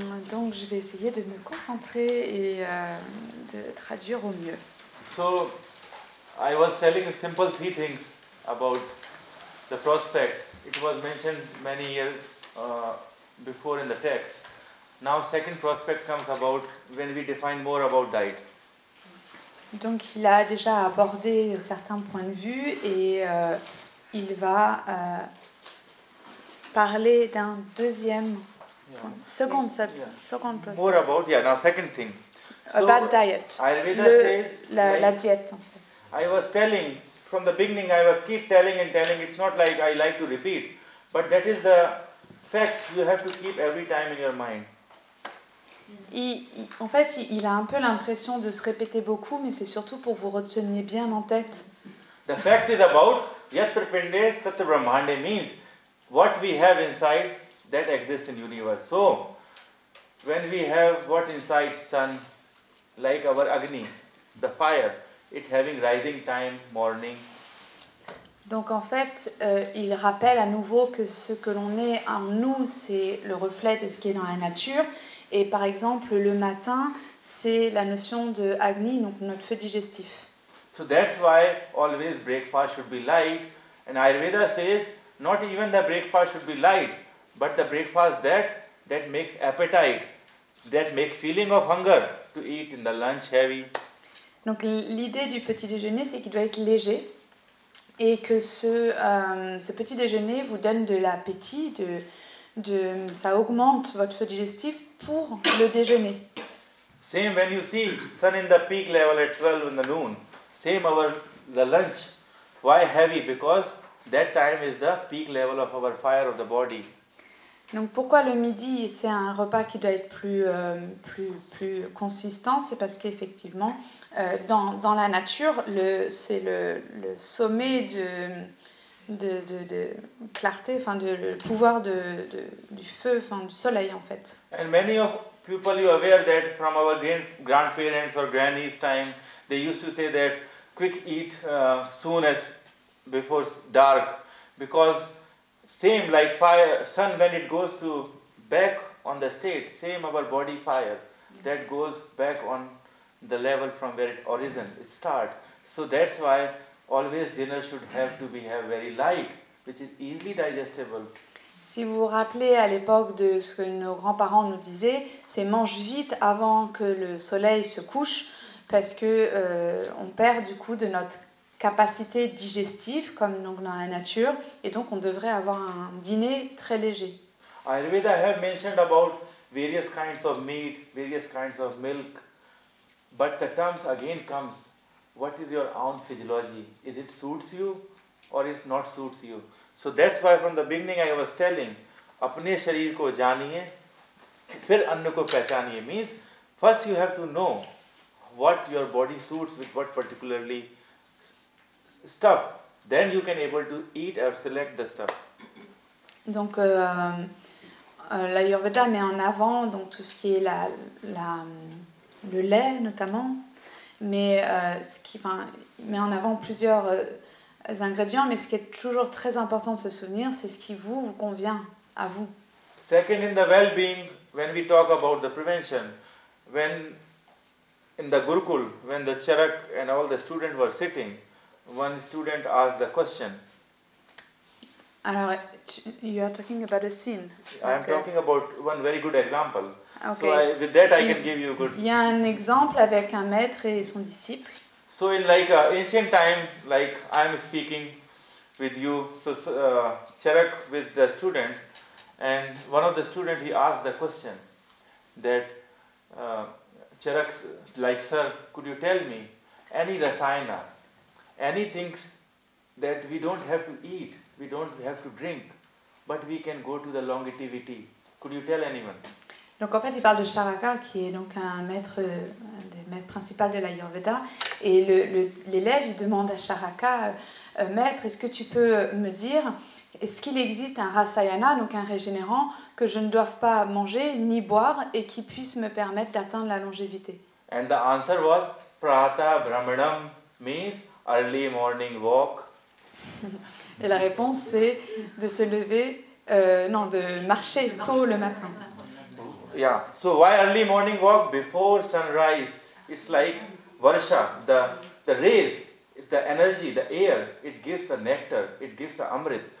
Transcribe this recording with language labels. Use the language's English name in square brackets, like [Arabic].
[French] Donc je vais essayer de me concentrer et de traduire au mieux. [English] So, I was telling a simple three things about the prospect. It was mentioned many years before in the text. Now, second prospect comes about when we define more about diet. [French] Donc, il a déjà abordé certains points de vue et il va parler d'un deuxième, [English] second prospect. More about, yeah, now second thing. About diet. Ayurveda says, [French] la diète. En [English] fait. I was telling, from the beginning, I was keep telling and telling, it's not like I like to repeat, but that is the fact you have to keep every time in your mind. [French] En fait, il a un peu l'impression de se répéter beaucoup, mais c'est surtout pour vous retenir bien en tête. [English] The fact is about [Sanskrit] yatra pinde tatra brahmande [English] means what we have inside that exists in universe. So, when we have what inside sun, like our agni, the fire, it having rising time, morning. [French] Donc en fait, il rappelle à nouveau que ce que l'on est en nous, c'est le reflet de ce qui est dans la nature. Et par exemple, le matin, c'est la notion de agni, donc notre feu digestif. [English] So that's why always breakfast should be light. And Ayurveda says, not even the breakfast should be light, but the breakfast that makes appetite, that makes feeling of hunger to eat in the lunch heavy. [French] Donc l'idée du petit déjeuner, c'est qu'il doit être léger et que ce petit déjeuner vous donne de l'appétit, ça augmente votre feu digestif pour le déjeuner. [English] Same when you see sun in the peak level at 12 in the noon. Same our the lunch. Why heavy? Because that time is the peak level of our fire of the body. [French] Donc pourquoi le midi c'est un repas qui doit être plus consistant? C'est parce qu'effectivement dans la nature c'est le sommet de clarté, enfin de le pouvoir du feu, enfin du soleil en fait. [English] And many of people you aware that from our grandparents or grannies time they used to say that quick eat soon as before dark because same like fire sun when it goes to back on the state same our body fire that goes back on the level from where it origin it start. So that's why always dinner should have very light, which is easily digestible. [French] Si vous vous rappelez à l'époque de ce que nos grands-parents nous disaient, c'est mange vite avant que le soleil se couche, parce que on perd du coup de notre capacité digestive, comme donc dans la nature, et donc on devrait avoir un dîner très léger. [English] Ayurveda have mentioned about various kinds of meat, various kinds of milk, but the terms again comes. What is your own physiology? Is it suits you or is not suits you? So that's why from the beginning I was telling, [Hindi] apne sharir ko janiye, phir ann ko pehchaniye. [English] Means first you have to know what your body suits with what particularly stuff. Then you can able to eat or select the stuff. [French] Donc l'Ayurveda met en avant donc tout ce qui est le lait notamment. Mais il met en avant plusieurs ingrédients, mais ce qui est toujours très important de se souvenir, c'est ce qui vous convient à vous. [English] Second, in the well-being, when we talk about the prevention, when in the Gurukul, when the Charak and all the students were sitting, one student asked the question. Alors, you are talking about a scene. I am talking about one very good example. Okay. So with that I can give you a good. [French] Il y a un exemple avec un maître et son disciple. [English] So in like ancient time, like I am speaking with you, so Charak with the student, and one of the student he asked the question that Charak like sir, could you tell me any rasayana, any things that we don't have to eat, we don't have to drink, but we can go to the longevity. Could you tell anyone? [French] Donc en fait, il parle de Charaka, qui est donc un des maîtres principaux de l'Ayurveda. Et l'élève, il demande à Charaka, maître, est-ce que tu peux me dire Est-ce qu'il existe un rasayana, donc un régénérant, que je ne doive pas manger ni boire et qui puisse me permettre d'atteindre la longévité? [English] And the answer was [Sanskrit] prata brahmanam [English] means early morning walk. [French] Et la réponse c'est de se lever, de marcher tôt le matin. [English] Yeah, so why early morning walk before sunrise? It's like varsha, the rays, the energy, the air, it gives a nectar, it gives a amrit.